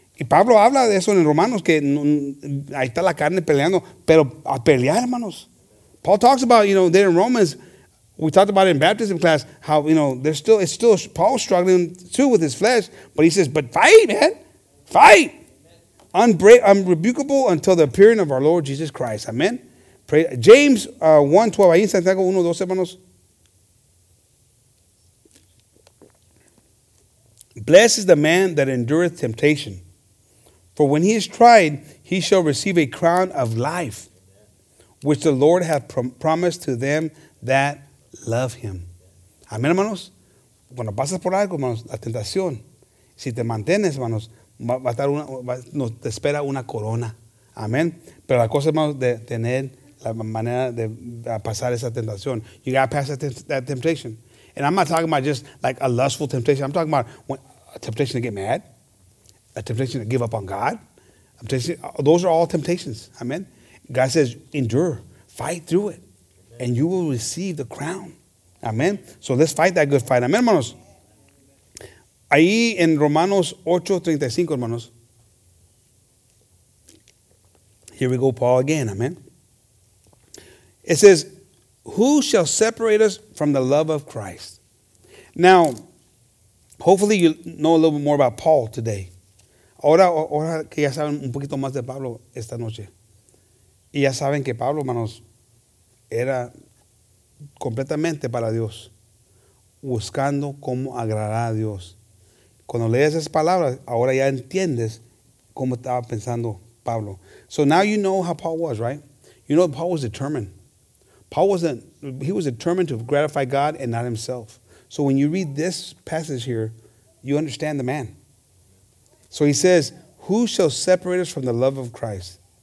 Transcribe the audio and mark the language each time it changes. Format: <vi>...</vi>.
<es>Y Pablo habla de eso en Romanos, que ahí está la carne peleando, pero a pelear, hermanos.</es> <en>Paul talks about, you know, there in Romans, we talked about it in baptism class, how, you know, there's still, it's still Paul struggling too with his flesh, but he says, but fight, man, fight. Unrebukable until the appearing of our Lord Jesus Christ. Amen. Pray. James 1:12,</en> <es>ahí en Santiago 1:12, hermanos.</es> <en>Blessed is the man that endureth temptation. For when he is tried, he shall receive a crown of life, which the Lord hath promised to them that love him.</en> <es>Amén, hermanos. Cuando pasas por algo, hermanos, la tentación, si te mantienes, hermanos, nos te espera una corona. Amén. Pero la cosa, hermanos, de tener la manera de pasar esa tentación.</es> <en>You got to pass that temptation. And I'm not talking about just like a lustful temptation. I'm talking about a temptation to get mad. A temptation to give up on God. Those are all temptations. Amen. God says, endure. Fight through it. Amen. And you will receive the crown. Amen. So let's fight that good fight.</en> <es>Amen, hermanos. Ahí en Romanos 8:35, hermanos.</es> <en>Here we go, Paul again. Amen. It says, who shall separate us from the love of Christ? Now, hopefully you know a little bit more about Paul today.</en> <es>Ahora que ya saben un poquito más de Pablo esta noche. Y ya saben que Pablo, hermanos, era completamente para Dios, buscando cómo agradar a Dios. Cuando lees esas palabras, ahora ya entiendes cómo estaba pensando Pablo.</es> <en>So now you know how Paul was, right? You know Paul was determined. He was determined to gratify God and not himself. So when you read this passage here, you understand the man. So he says, who shall separate us from the love of Christ?</en>